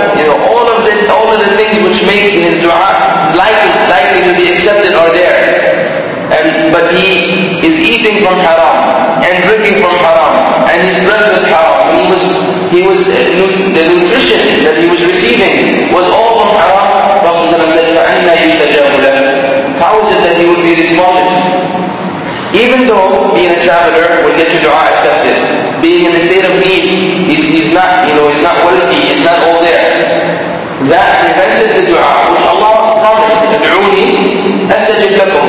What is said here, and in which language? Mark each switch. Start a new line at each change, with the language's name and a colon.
English: You know, all of the things which make his dua likely to be accepted are there. But he is eating from haram and drinking from haram and he's dressed with haram. The nutrition that he was receiving was all from haram. Prophet said,
Arabic: فَأَنَّا يُتَجَابُ لَهُ.
English: How is it that he would be responded? Even though being a traveler would get your dua accepted, being in a state of need, he's not wealthy, he's not all there. That prevented the dua, which Allah promised,
Arabic: ادْعُونِي أَسْتَجِبْ لَكُمْ.